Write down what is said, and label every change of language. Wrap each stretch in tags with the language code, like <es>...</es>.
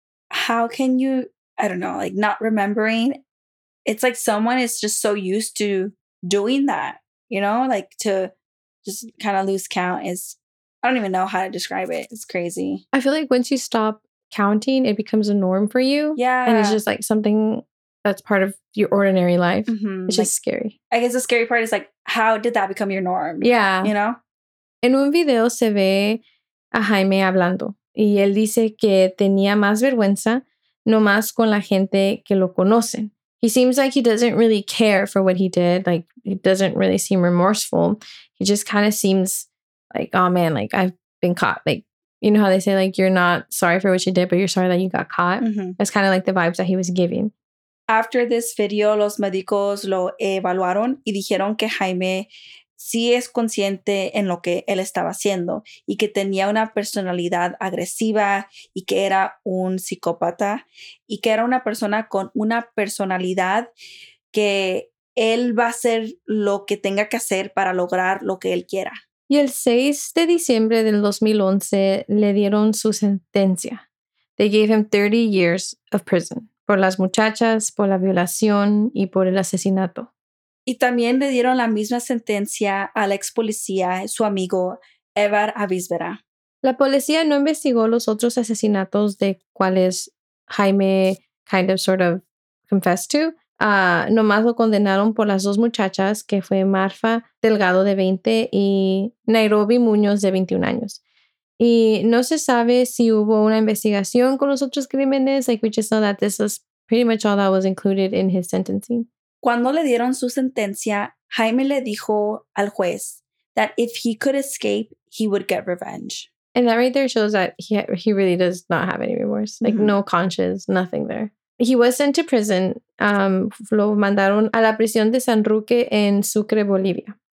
<en>How can you, I don't know, like not remembering? It's like someone is just so used to doing that, you know, like to just kind of lose count is, I don't even know how to describe it. It's crazy. I feel like once you stop counting, it becomes a norm for you. Yeah. And it's just like something that's part of your ordinary life. Mm-hmm. It's just like, scary. I guess the scary part is like, how did that become your norm? Yeah. You know?</en> <es>En un video se ve a Jaime hablando. Y él dice que tenía más vergüenza nomás con la gente que lo conocen.</es> <en>He seems like he doesn't really care for what he did. Like, he doesn't really seem remorseful. He just kind of seems like, oh, man, like, I've been caught. Like, you know how they say, like, you're not sorry for what you did, but you're sorry that you got caught? Mm-hmm. That's kind of like the vibes that he was giving. After this video,</en> <es>los médicos lo evaluaron y dijeron que Jaime sí es consciente en lo que él estaba haciendo y que tenía una personalidad agresiva y que era un psicópata y que era una persona con una personalidad que él va a hacer lo que tenga que hacer para lograr lo que él quiera. Y el 6 de diciembre del 2011 le dieron su sentencia.</es> <en>They gave him 30 years of prison</en> <es>por las muchachas, por la violación y por el asesinato. Y también le dieron la misma sentencia al ex policía, su amigo, Evar Avísvera. La policía no investigó los otros asesinatos de cuales Jaime</es> <en>kind of sort of confessed to.</en> <es>Nomás lo condenaron por las dos muchachas, que fue Marfa Delgado de 20 y Nairobi Muñoz de 21 años. Y no se sabe si hubo una investigación con los otros crímenes.</es> <en>Like, we just know that this was pretty much all that was included in his sentencing.</en> <es>Cuando le dieron su sentencia, Jaime le dijo al juez</es> <en>that if he could escape, he would get revenge. And that right there shows that he really does not have any remorse. Like, mm-hmm. No conscience, nothing there. He was sent to prison.</en> <es>Lo mandaron a la prisión de San Roque en Sucre, Bolivia.</es>